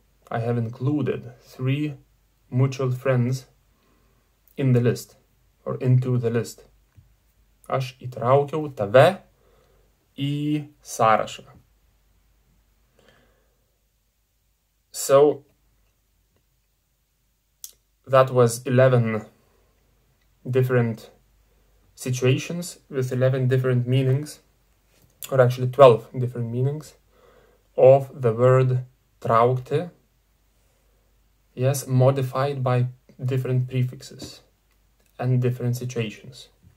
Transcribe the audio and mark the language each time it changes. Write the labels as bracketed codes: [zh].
[en] I have included 3 mutual friends in the list or into the list. [lt] Aš įtraukiau tave į sąrašą. [en] So that was 11 different situations with 11 different meanings, or actually 12 different meanings of the word traukti, yes, modified by different prefixes and different situations.